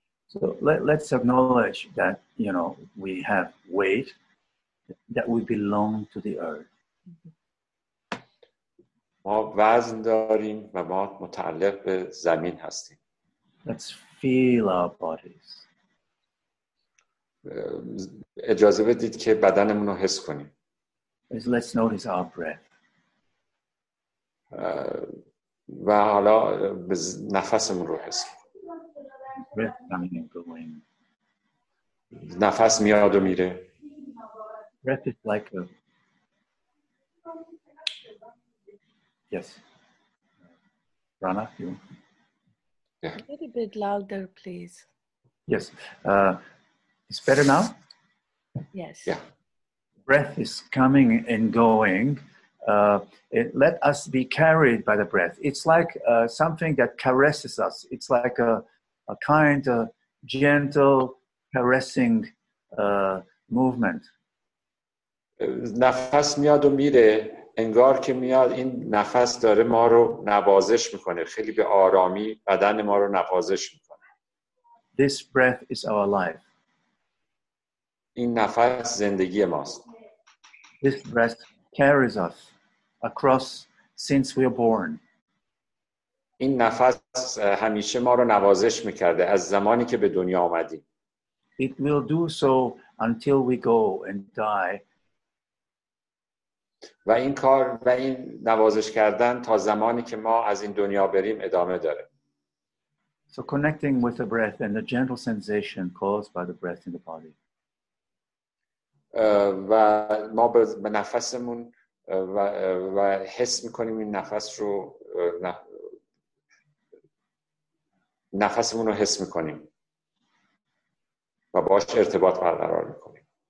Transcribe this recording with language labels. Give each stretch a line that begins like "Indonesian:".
English: So let's acknowledge that, you know, we have weight. That we belong to the earth.
Persian: ما وزن داریم و ما متعلق به زمین هستیم.
English: Let's feel our bodies.
Persian: اجازه بدید که بدنمون رو حس کنیم.
English: Let's notice our breath.
Persian: و حالا نفسمون رو حس کنیم.
English: Breath coming and going.
Persian: نفس میاد و میره.
English: Breath is like a yes. Rana, you. A little bit louder, please. Yes. It's better now. Yes. Yeah. Breath is coming and going. Let us be carried by the breath. It's like something that caresses us. It's like a kind, a gentle, caressing movement.
Persian: نفس میاد و میره، انگار که میاد این نفس داره ما رو نوازش میکنه، خیلی به آرامی بدن ما رو نوازش میکنه.
English: This breath is our life.
Persian: این نفس زندگی ماست.
English: This breath carries us across since we are born.
Persian: این نفس همیشه ما رو نوازش میکرده از زمانی که به دنیا آمدیم.
English: It will do so until we go and die.
Persian: و این کار و این نوازش کردن تا زمانی که ما از این دنیا بریم ادامه داره.
English: So connecting with the breath and the gentle sensation caused by the breath in the body.
Persian: و ما به نفسمون و حس میکنیم این نفس رو نفسمون رو حس میکنیم و باش ارتباط برقرار میکنیم.